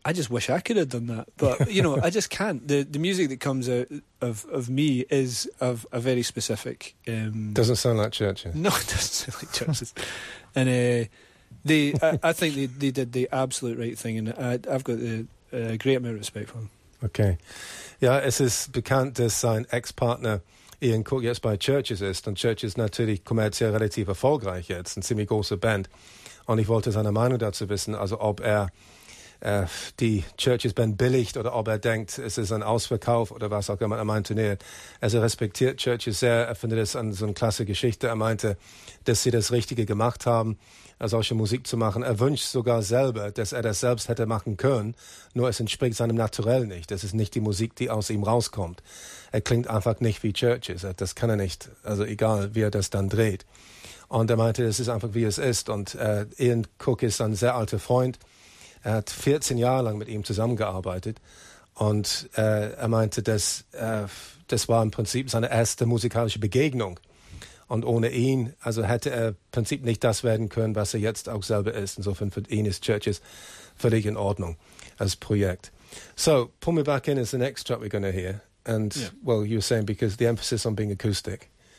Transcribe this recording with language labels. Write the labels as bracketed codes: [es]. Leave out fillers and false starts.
[en] I just wish I could have done that, but you know, I just can't. The music that comes out of me is of a very specific. Doesn't sound like Churches. No, it doesn't sound like Churches. And I think they did the absolute right thing, and I've got a great amount of respect for them. Okay. [de] Ja, es ist bekannt, dass sein Ex-Partner Ian Cook jetzt bei Churches ist. Und Churches ist natürlich kommerziell relativ erfolgreich jetzt, eine ziemlich große Band. Und ich wollte seine Meinung dazu wissen, also ob er die Churches-Band billigt oder ob er denkt, es ist ein Ausverkauf oder was auch immer. Er meinte, nee, also respektiert Churches sehr, er findet es an so eine klasse Geschichte. Er meinte, dass sie das Richtige gemacht haben, solche Musik zu machen. Er wünscht sogar selber, dass er das selbst hätte machen können, nur es entspricht seinem Naturell nicht. Das ist nicht die Musik, die aus ihm rauskommt. Er klingt einfach nicht wie Churches. Das kann er nicht, also egal, wie er das dann dreht. Und er meinte, es ist einfach, wie es ist. Und Ian Cook ist ein sehr alter Freund. Er hat 14 Jahre lang mit ihm zusammengearbeitet. Und er meinte, dass das war im Prinzip seine erste musikalische Begegnung. Und ohne ihn, also hätte er im Prinzip nicht das werden können, was er jetzt auch selber ist. Insofern für ihn ist Churches völlig in Ordnung als Projekt. [en] So, Pull Me Back In is the next track we're going to hear. And, yeah. Well, you were saying, because the emphasis on being acoustic.